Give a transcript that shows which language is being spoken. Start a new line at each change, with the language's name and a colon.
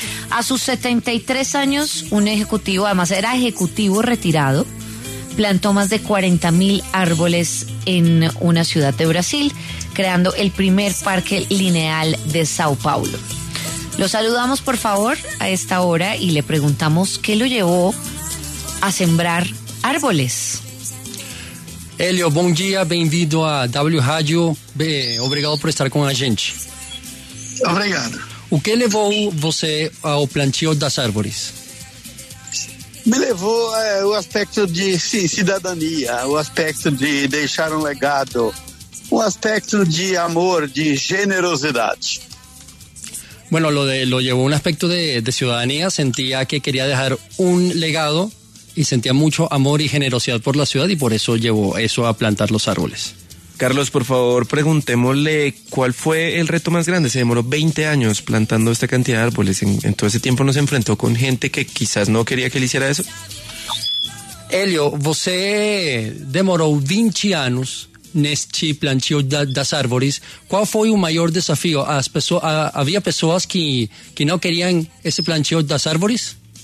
Spanish: A sus 73 años, un ejecutivo, además era ejecutivo retirado, plantó más de 40,000 árboles en una ciudad de Brasil, creando el primer parque lineal de Sao Paulo. Lo saludamos, por favor, a esta hora y le preguntamos qué lo llevó a sembrar árboles.
Portuguese: Hélio, bom dia, bem-vindo a W Rádio. Obrigado por estar com a gente. Obrigado. O que levou você ao plantio das árvores? Me levou o aspecto de cidadania, o aspecto de deixar um legado, o aspecto de amor, de generosidade.
Spanish: Bueno, lo llevó un aspecto de ciudadanía, sentía que quería dejar un legado. Y sentía mucho amor y generosidad por la ciudad y por eso llevó eso a plantar los árboles. Carlos, por favor, preguntémosle cuál fue el reto más grande. Se demoró 20 años plantando esta cantidad de árboles. En todo ese tiempo nos enfrentó con gente que quizás no quería que él hiciera eso.
Portuguese: Hélio, você demorou 20 años neste plantio das árvores.
Spanish: ¿Cuál fue el mayor desafío? ¿Había personas que no querían ese
Portuguese: plantio das árvores?